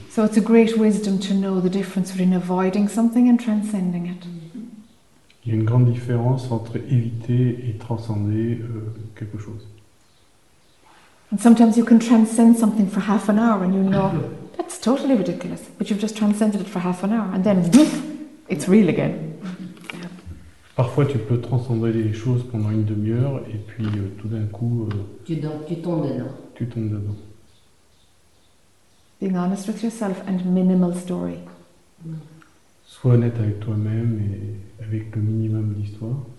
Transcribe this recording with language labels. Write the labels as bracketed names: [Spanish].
[English] So it's a great wisdom to know the difference between avoiding something and transcending it. [French] Il y a une grande différence entre éviter et transcender quelque chose. [English] And sometimes you can transcend something for half an hour and you know, that's totally ridiculous, but you've just transcended it for half an hour and then, it's real again. [French] Parfois tu peux transcender les choses pendant une demi-heure et puis tout d'un coup... Tu tombes dedans. [English] Being honest with yourself and minimal story. [French] Sois honnête avec toi-même et avec le minimum d'histoire.